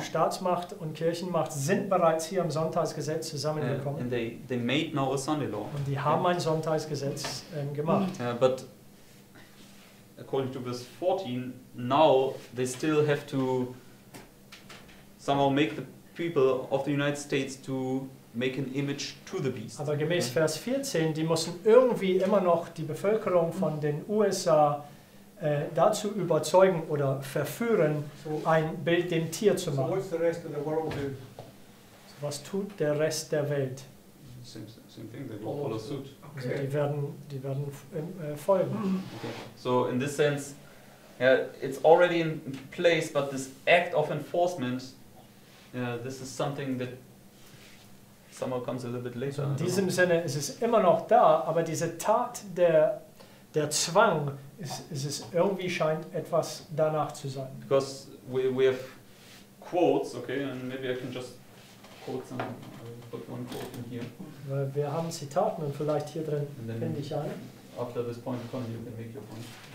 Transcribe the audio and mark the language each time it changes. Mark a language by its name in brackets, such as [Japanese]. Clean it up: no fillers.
[German] Staatsmacht und Kirchenmacht sind bereits hier am Sonntagsgesetz zusammengekommen. [English] And they made now a Sunday Law. [German] Und die haben ein Sonntagsgesetz gemacht. [English] But according to verse 14, now they still have to somehow make the people of the United States to make an image to the beast. [German] Aber gemäß Vers 14, die müssen irgendwie immer noch die Bevölkerung von den USA dazu überzeugen oder verführen, so ein Bild dem Tier zu machen. [English] So what's the rest of the world do? [German] So was tut der Rest der Welt? [English] Same thing, they will follow suit. [German] Okay. Also die werden folgen. Okay. [English] So in this sense, yeah, it's already in place, but this act of enforcement this is something that somehow comes a little bit later. [German] In diesem Sinne ist es immer noch da, aber diese Tat der Zwang ist irgendwie scheint etwas danach zu sein. [English] Because we have quotes, okay, and maybe I can just quote some, put one quote in here. [German] Weil wir haben Zitaten und vielleicht hier drin finde ich einen. [English] After this point, you can make your point.